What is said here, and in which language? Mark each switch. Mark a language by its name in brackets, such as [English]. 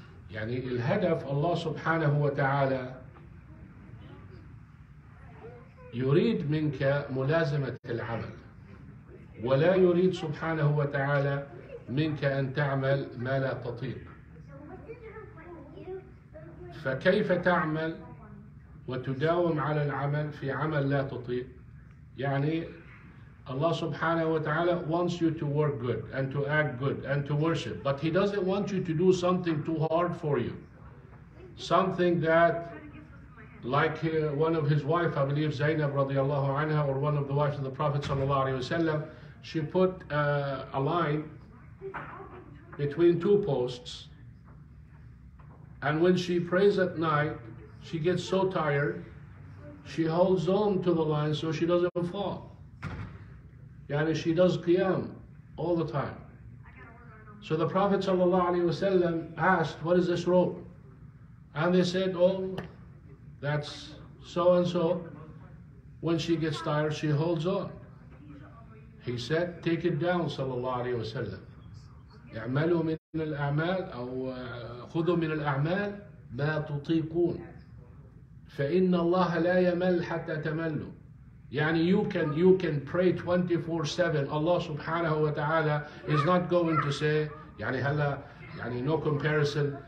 [Arabic] يعني الهدف الله سبحانه وتعالى يريد منك ملازمة العمل، ولا يريد سبحانه وتعالى منك أن تعمل ما لا تطيق. فكيف تعمل وتداوم على العمل في عمل لا تطيق؟ يعني الله سبحانه وتعالى [English] wants you to work good and to act good and to worship, but he doesn't want you to do something too hard for you. Something that, like one of his wife, I believe Zainab radiallahu anha, or one of the wives of the Prophet sallallahu alayhi wa sallam, she put a line between two posts, and when she prays at night, she gets so tired, she holds on to the line so she doesn't fall. Yani she does qiyam all the time. So the Prophet ﷺ asked, what is this rope? And they said, oh, that's so and so. When she gets tired, she holds on. He said, take it down, ﷺ. [Arabic] اعملوا من الأعمال أو خذوا من الأعمال ما تطيقون فإن الله لا يمل حتى تملوا. [English] يعني you can pray 24/7. Allah سبحانه وتعالى is not going to say, [Arabic] يعني هلا يعني [English] no comparison.